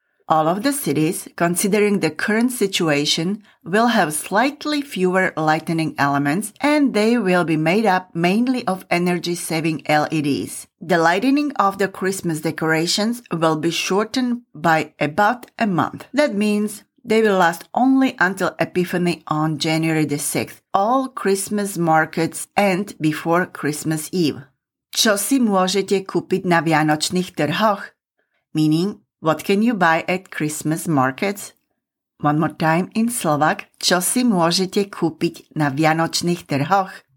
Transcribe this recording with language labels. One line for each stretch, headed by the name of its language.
English: All of the cities, considering the current situation, will have slightly fewer lightning elements and they will be made up mainly of energy-saving LEDs. The lightening of the Christmas decorations will be shortened by about a month. That means they will last only until Epiphany on January the 6th. All Christmas markets end before Christmas Eve.
Slovak: Čo si môžete kúpiť na vianočných trhoch?
English: Meaning, what can you buy at Christmas markets? One more time in Slovak,
Slovak: čo si môžete kúpiť na vianočných trhoch?